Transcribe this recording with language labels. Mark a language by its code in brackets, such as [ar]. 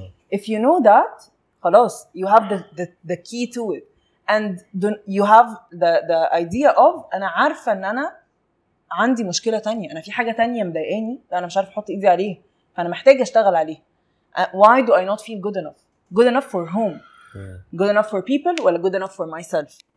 [en] If you know that, [ar] خلاص, [en] you have the key to it. And you have the idea of, [ar] أنا عارفة أن أنا عندي مشكلة تانية. أنا في حاجة تانية مضايقاني, أنا مش عارف أحط إيدي عليه. فأنا محتاجة أشتغل عليه. [en] Why do I not feel good enough? Good enough for whom? Good enough for people or good enough for myself?